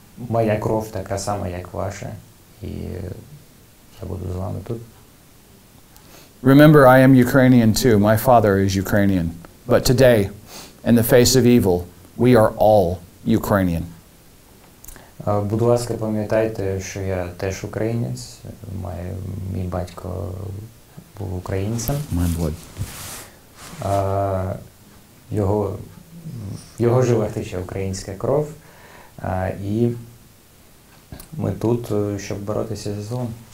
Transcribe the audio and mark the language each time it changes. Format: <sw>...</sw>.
<uk>Моя кров така сама, як ваша, і я буду з вами тут.</uk> <en>Remember, I am Ukrainian too. My father is Ukrainian. But today, in the face of evil, we are all Ukrainian.</en> <uk>Будь ласка, пам'ятайте, що я теж українець. Мій батько був українцем.</uk> <en>My blood.</en> <uk>Його живих тече українська кров. І ми тут, щоб боротися за злом.</uk>